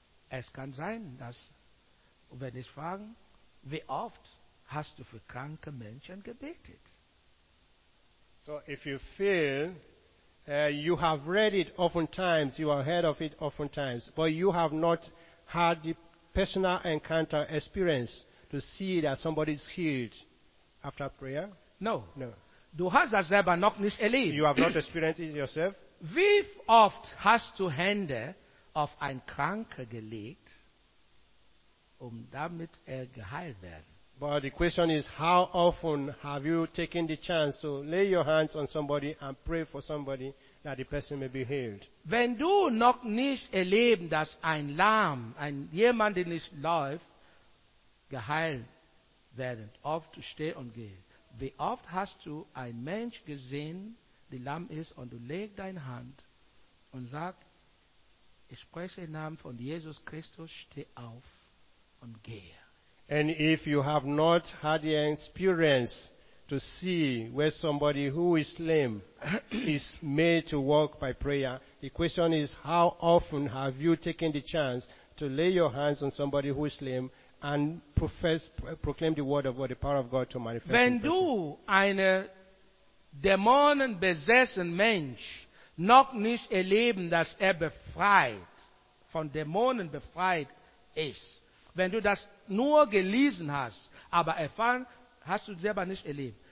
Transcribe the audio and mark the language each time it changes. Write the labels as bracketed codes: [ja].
[de] Es kann sein, dass, wenn ich frage, wie oft hast du für kranke Menschen gebetet? [en] So, if you feel, you have read it oftentimes, you have heard of it oftentimes, but you have not had the personal encounter experience to see that somebody is healed after prayer? No. [de] Du hast das selber noch nicht erlebt. [en] You have not experienced it yourself? [de] Wie oft hast du Hände auf einen Kranken gelegt, um damit er geheilt werden? [en] But the question is, how often have you taken the chance to lay your hands on somebody and pray for somebody that the person may be healed. [de] Wenn du noch nicht erleben, dass ein Lahm, ein jemand, der nicht läuft, geheilt werden, oft steht und geht. Wie oft hast du einen Mensch gesehen, der Lahm ist, und du legst deine Hand und sagst, ich spreche im Namen von Jesus Christus, steh auf und gehe. [en] And if you have not had the experience to see where somebody who is lame is made to walk by prayer, the question is, how often have you taken the chance to lay your hands on somebody who is lame and proclaim the word of God, the power of God to manifest? [de] Wenn du eine dämonenbesessen Mensch noch nicht erleben, dass befreit, von Dämonen befreit ist, wenn du das nur gelesen hast, aber erfahren hast du selber nicht erlebt.